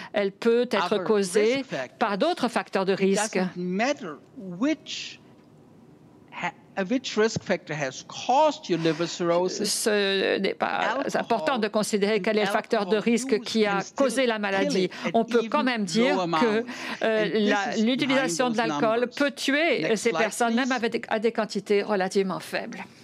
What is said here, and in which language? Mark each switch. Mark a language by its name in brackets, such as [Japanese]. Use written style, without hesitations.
[French] Elle peut être causée par d'autres facteurs de risque. [English] Which risk factor has caused your liver cirrhosis? [French] Ce n'est pas alcohol, important de considérer quel est le facteur de risque qui a causé la maladie. On peut quand même dire que l'utilisation de l'alcool peut tuer ces personnes, même avec des quantités relativement faibles.